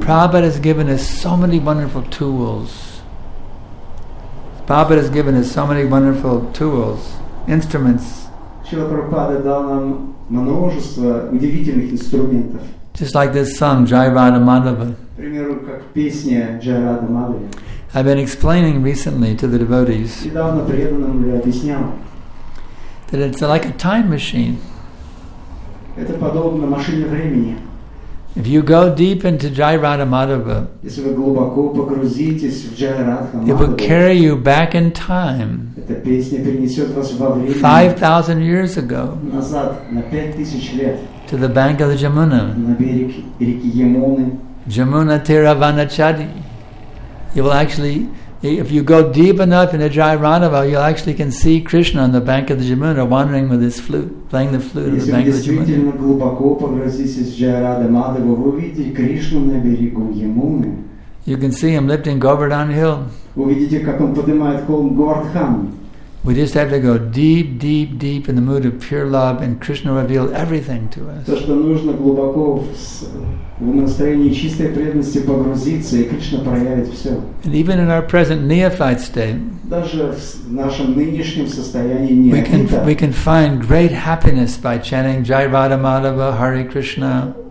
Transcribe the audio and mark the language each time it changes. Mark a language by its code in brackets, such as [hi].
[en] Prabhupada has given us so many wonderful tools. Prabhupada has given us so many wonderful tools, instruments. [ru] Шрила Прабхупада дал нам множество удивительных инструментов. [en] Just like this song, Jai Radha Madhava. [ru] Примеру, как песня Jai Radha Madhava. [en] I've been explaining recently to the devotees that it's like a time machine. [ru] Это подобно машине времени. [en] If you go deep into Jai Radha Madhava, [ru] если вы глубоко погрузитесь в Jai Radha Madhava, [en] it will carry you back in time. [ru] Эта песня перенесет вас во время. [en] 5,000 years ago. [ru] Назад на 5,000 лет. [en] To the bank of the Jamuna. [ru] На берег реки Ямуны. [bn] Jamuna Tiravana Chadi. [en] You will actually, if you go deep enough into Jai Radhava, you actually can see Krishna on the bank of the Jamuna, wandering with his flute, playing the flute on the bank of the Jamuna. [ru] Если действительно глубоко погрузитесь в Jai Radha Madhava, вы увидите Кришну на берегу Ямуны. [en] You can see him lifting Govardhan Hill. [ru] Вы видите, как он поднимает холм Говардхан. [en] We just have to go deep, deep, deep in the mood of pure love, and Krishna revealed everything to us. [ru] То, что нужно глубоко в настроении чистой преданности погрузиться, и Кришна проявит все. [en] And even in our present neophyte state, [ru] даже в нашем нынешнем состоянии неофита, [en] we can find great happiness by chanting Jai Radha Madhava, Hare Krishna.